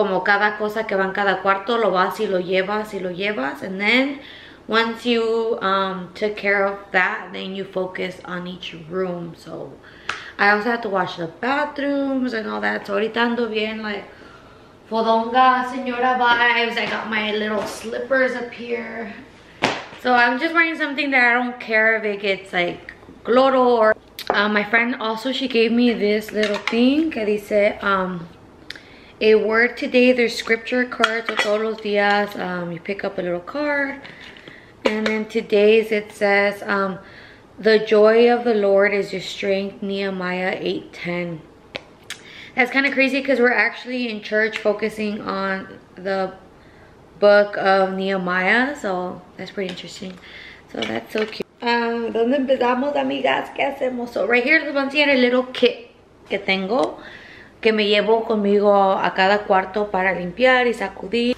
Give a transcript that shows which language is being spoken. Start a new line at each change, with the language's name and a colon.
Spanish: Como cada cosa que va en cada cuarto, lo vas y lo llevas y lo llevas.
English: And then once you took care of that, then you focus on each room. So I also have to wash the bathrooms and all that. So
Spanish: ahorita ando bien,
English: like,
Spanish: fodonga señora
English: vibes. I got my little slippers up here. So I'm just wearing something that I don't care if it gets like cloro or... my friend also, she gave me this little thing
Spanish: que dice,
English: a word today. There's scripture cards with
Spanish: todos los días.
English: You pick up a little card. And then today's, it says, the joy of the Lord is your strength, Nehemiah 8:10. That's kind of crazy because we're actually in church focusing on the book of Nehemiah. So that's pretty interesting. So that's so cute.
Spanish: ¿Dónde empezamos, amigas? ¿Qué hacemos?
English: So right here,
Spanish: les voy a enseñar el
English: little kit
Spanish: que tengo. que me llevo conmigo a cada cuarto para limpiar y sacudir.